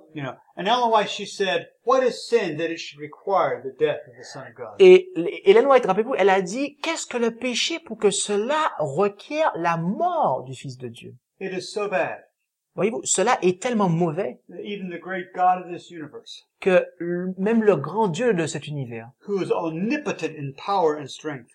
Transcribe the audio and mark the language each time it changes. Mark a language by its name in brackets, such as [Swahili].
[English] You know, and Ellen White, she said, what is sin that it should require the death of the Son of God? [French] Et Ellen White, rappelez-vous, elle a dit, qu'est-ce que le péché pour que cela requiert la mort du Fils de Dieu? [English] It is so bad. [French] Voyez-vous, cela est tellement mauvais [English] even the great God of this universe, [French] que même le grand Dieu de cet univers, [English] who is omnipotent in power and strength,